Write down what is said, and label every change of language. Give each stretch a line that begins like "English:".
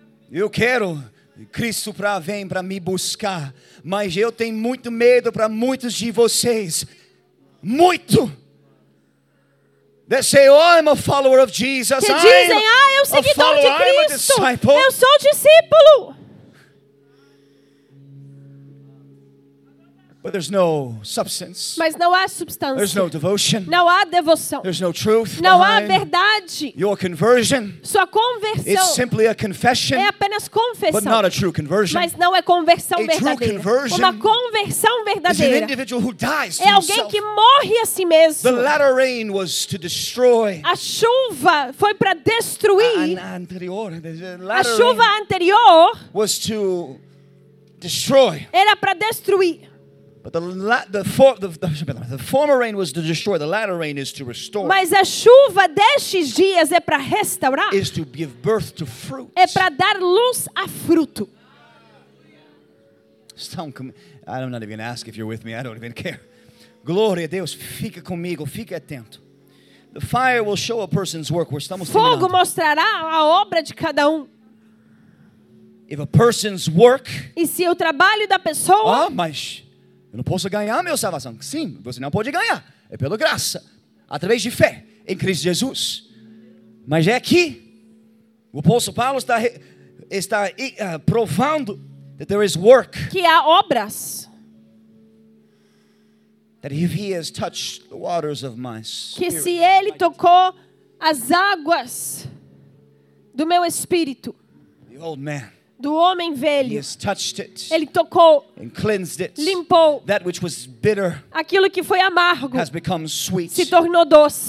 Portuguese: Eu quero Cristo para vir para me buscar, mas eu tenho muito medo para muitos de vocês, muito.
English: They say, oh, I'm a follower of Jesus.
Portuguese: Que dizem, ah, eu seguidor de Cristo. Eu sou discípulo.
English: But there's no substance.
Portuguese: Mas não há substância.
English: There's no devotion.
Portuguese: Não há devoção.
English: There's no truth.
Portuguese: Não há verdade.
English: Your conversion.
Portuguese: Sua conversão.
English: It's simply a confession.
Portuguese: É apenas confissão.
English: But not a true conversion.
Portuguese: Mas não é conversão a verdadeira.
English: True conversion.
Portuguese: Uma conversão verdadeira.
English: Is an individual who dies
Portuguese: é alguém
English: himself.
Portuguese: Que morre a si mesmo.
English: The latter rain was to destroy.
Portuguese: A chuva foi para destruir. Anterior. A chuva anterior
English: was to destroy.
Portuguese: Era para destruir.
English: But the former rain was to destroy. The latter rain is to restore.
Portuguese: Mas a chuva destes dias é para restaurar.
English: Is to give birth to fruit.
Portuguese: É para dar luz a fruto.
English: I'm not even going to ask if you're with me. I don't even care.
Portuguese: Glória a Deus. Fica comigo. Fica atento.
English: The fire will show a person's work. Where estamos
Portuguese: fogo terminando. Mostrará a obra de cada um.
English: If a person's work.
Portuguese: E se o trabalho da pessoa. Ah, mas eu não posso ganhar a minha salvação. Sim, você não pode ganhar. É pela graça. Através de fé em Cristo Jesus. Mas é aqui. O apóstolo Paulo está provando
English: that there is work,
Portuguese: que há obras.
English: That if he has touched the waters of my spirit,
Portuguese: que se ele tocou as águas do meu espírito.
English: The old man.
Portuguese: Do homem velho.
English: He has touched it,
Portuguese: ele tocou.
English: And cleansed it,
Portuguese: limpou.
English: That which was bitter,
Portuguese: aquilo que foi amargo.
English: Has become sweet,
Portuguese: se tornou doce.